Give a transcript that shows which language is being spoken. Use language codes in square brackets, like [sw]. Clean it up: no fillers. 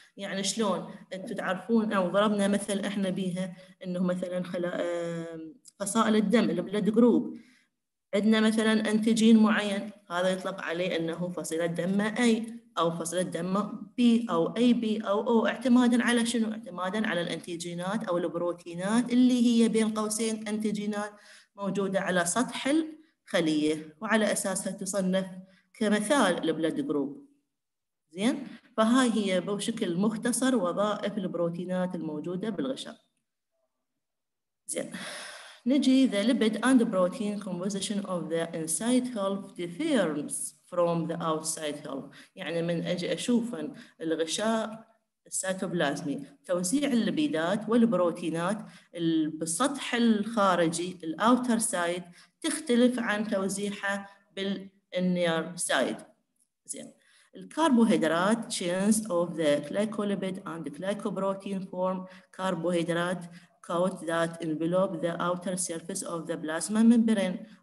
[ar] يعني شلون؟ انتم تعرفون او ضربنا مثل احنا بيها انه مثلا فصائل الدم البلد جروب، عندنا مثلا انتيجين معين هذا يطلق عليه انه فصيله دم اي او فصيله دم بي او اي بي او او، اعتمادا على شنو؟ اعتمادا على الانتيجينات او البروتينات اللي هي بين قوسين انتيجينات موجوده على سطح الخليه، وعلى اساسها تصنف كمثال البلد جروب. زين، فهاي هي بشكل مختصر وظائف البروتينات الموجوده بالغشاء. زين، نجي [en] the lipid and protein composition of the inside half differs from the outside half. [ar] يعني من اجي اشوف الغشاء السيتوبلازمي، توزيع اللبيدات والبروتينات بالسطح الخارجي الاوتر سايد تختلف عن توزيعها بالنير سايد. زين، الكربوهيدرات [en] chains of the glycolipid and the glycoprotein form carbohydrate coat that envelop the outer surface of the plasma membrane.